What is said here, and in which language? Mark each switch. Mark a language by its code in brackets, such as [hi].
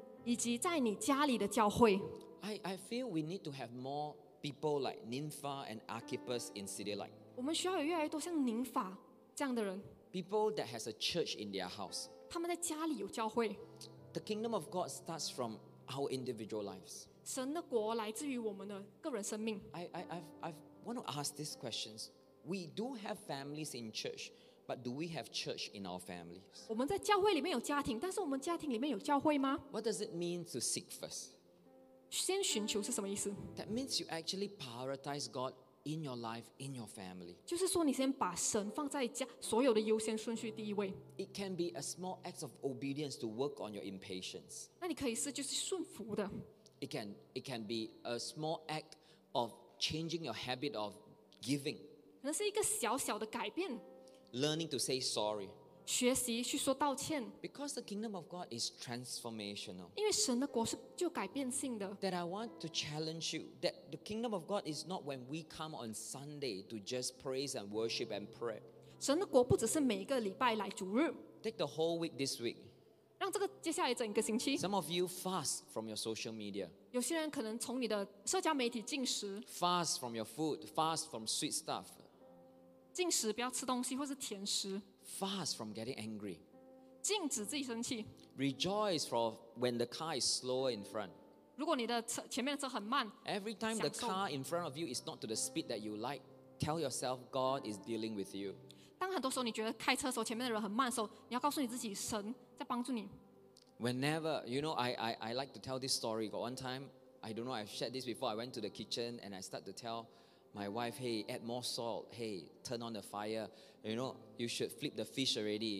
[zh] 在腓利门书一章一到二节，为基督耶稣被囚禁的保罗和提摩太弟兄写信给我们所爱的又一同工作的腓利门和亚非亚姐妹，并我们战友雅基布以及你以及在你家里的教会。 [en] I feel we need to have more people like Nympha and Archippus in City Light. [zh] 我们需要有越来越多像宁法这样的人。 [en] People that has a church in their house. [zh] 他们在家里有教会。 [en] The kingdom of God starts from our individual lives. [zh] 神的国来自于我们的个人生命。 [en] I want to ask these questions. We do have families in church, but do we have church in our families? [zh] 我们在教会里面有家庭，但是我们家庭里面有教会吗？ [en] What does it mean to seek first? [zh] 先寻求是什么意思？ [en] That means you actually prioritize God in your life, in your family. [zh] 就是说你先把神放在家所有的优先顺序第一位。 [en] It can be a small act of obedience to work on your impatience. [zh] 那你可以是就是顺服的。 [en] It can be a small act of changing your habit of giving. [zh] 可能是一个小小的改变。 [en] Learning to say sorry. [zh] 学习去说道歉。 [en] Because the kingdom of God is transformational. [zh] 因为神的国是就改变性的。 [en] That I want to challenge you, that the kingdom of God is not when we come on Sunday to just praise and worship and pray. [zh] 神的国不只是每一个礼拜来主日。 [en] Take the whole week this week. Some of you fast from your social media. Fast from your food. Fast from sweet stuff. [zh] 禁食不要吃东西或是甜食。 [en] Fast from getting angry. [zh] 禁止自己生气。 [en] Rejoice from when the car is slower in front. [zh] 如果你的车前面的车很慢。 [en] Every time the car in front of you is not to the speed that you like, tell yourself God is dealing with you. [zh] 当很多时候你觉得开车时候前面的人很慢的时候，你要告诉你自己神在帮助你。 [en] Whenever, you know, I like to tell this story. Got one time, I don't know, I've shared this before. I went to the kitchen and I start to tell my wife, hey, add more salt. Hey, turn on the fire. You know, you should flip the fish already.